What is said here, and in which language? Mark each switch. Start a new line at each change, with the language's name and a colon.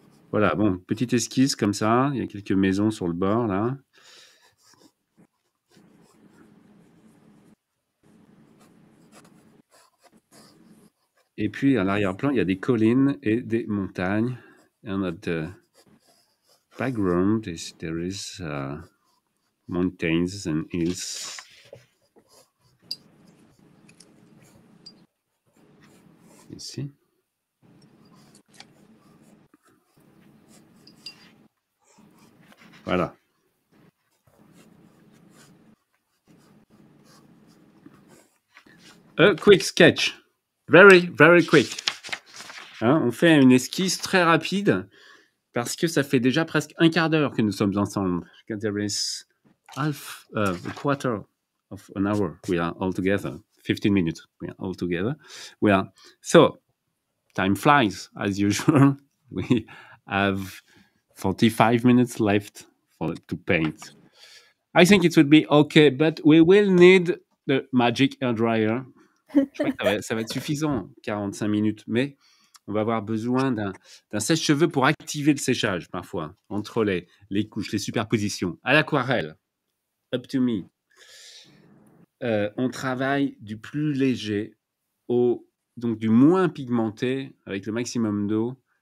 French: Voilà, bon, petite esquisse comme ça. Il y a quelques maisons sur le bord là. Et puis à l'arrière-plan, il y a des collines et des montagnes.
English: And at the background, there is mountains and hills.
French: Ici. Voilà.
English: A quick sketch. Very, very quick.
French: Hein, on fait une esquisse très rapide parce que ça fait déjà presque un quart d'heure que nous sommes ensemble.
English: There is half, a quarter of an hour. We are all together. 15 minutes. We are all together. We are. So, time flies as usual. We have 45 minutes left to paint. I think it would be okay, but we will need the magic air dryer.
French: Je crois que ça va être suffisant, 45 minutes, mais on va avoir besoin d'un sèche-cheveux pour activer le séchage, parfois, entre les couches, les superpositions. À l'aquarelle,
English: up to me,
French: on travaille du plus léger, donc du moins pigmenté, avec le maximum d'eau.